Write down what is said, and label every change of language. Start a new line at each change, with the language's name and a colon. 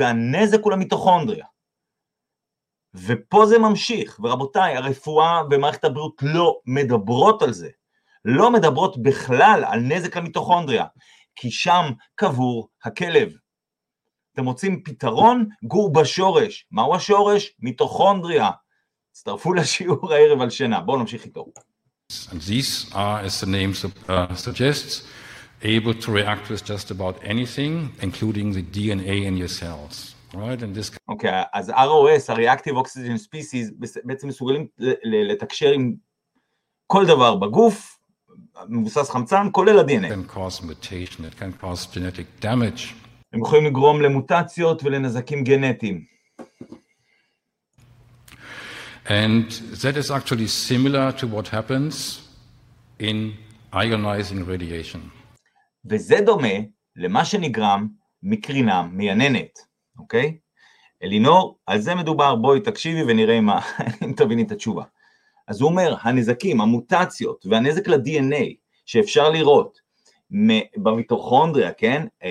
Hebrew: והנזק הוא למיטוכונדריה. ופה זה ממשיך, ורבותיי, הרפואה ומערכת הבריאות לא מדברות על זה, לא מדברות בכלל על נזק למיטוכונדריה, כי שם קבור הכלב. אתם מוצאים פתרון? גור בשורש. מהו השורש? מיטוכונדריה. הצטרפו לשיעור הערב על שינה, בואו נמשיך איתו.
English: And these are, as the name suggests, able to react with just about anything, including the DNA in your cells, right? And this. Okay, as ROS, a reactive oxygen species,
Hebrew: בעצם מסוגלים לתקשר עם כל דבר בגוף, מבוסס חמצן, כולל ה-DNA.
English: It can cause mutation, it can cause genetic damage.
Hebrew: הם יכולים לגרום למוטציות ולנזקים גנטיים.
English: And that is actually similar to what happens in ionizing radiation.
Hebrew: וזה דומה למה שנגרם מקרינה מייננת, אוקיי? אלינור, על זה מדובר, בואי תקשיבי ונראה אם תביני את התשובה. אז הוא אומר, הנזקים, המוטציות והנזק לדנ"א שאפשר לראות במיטוכונדריה, כן?